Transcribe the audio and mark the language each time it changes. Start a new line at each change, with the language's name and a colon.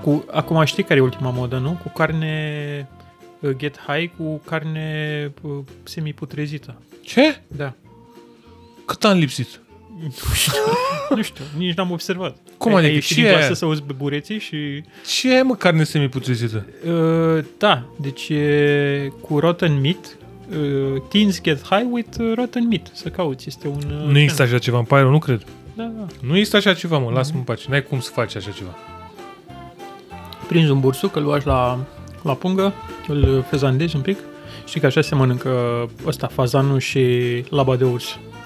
Romanian: acum știi care e ultima modă, nu? Cu carne
English: get high,
Romanian: cu carne semiputrezită. Ce? Da. Cât am lipsit? Nu știu, nici n-am observat. Cum ai, adică? Ai ieșit din casă să auzi bureții și... Ce e, mă, carne semiputrezită? Da, deci e cu
English: rotten meat. Teens get high with rotten meat.
Romanian: Să cauți, este un... Nu există așa ceva, îmi pare, nu cred. Da. Nu există așa ceva, mă, lasă-mă în pace. N-ai cum să faci așa ceva. Prinzi un bursuc, îl luași la pungă, îl fezandezi un pic. Știi că așa se mănâncă ăsta, fazanul și laba de urs.